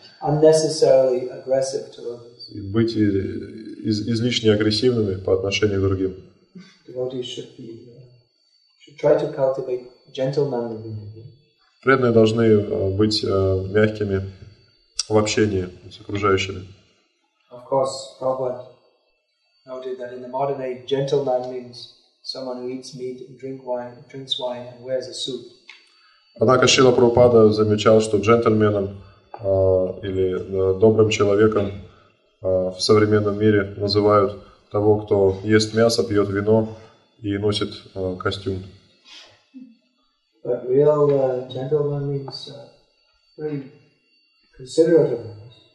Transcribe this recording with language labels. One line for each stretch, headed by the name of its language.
English: Unnecessarily aggressive to others.
Russian: Быть излишне агрессивными по отношению к другим.
English: Devotees should try to cultivate gentlemanly behavior.
Russian: Преданные должны быть мягкими в общении с окружающими.
English: Of course, Prabhupada noted that in the modern age, gentleman means someone who eats meat, drinks wine, and wears a suit.
Russian: Однако Шрила Прабхупада замечал, что джентльменом или добрым человеком в современном мире называют того, кто ест мясо, пьет вино и носит костюм.
English: But real gentleman means very considerate of others.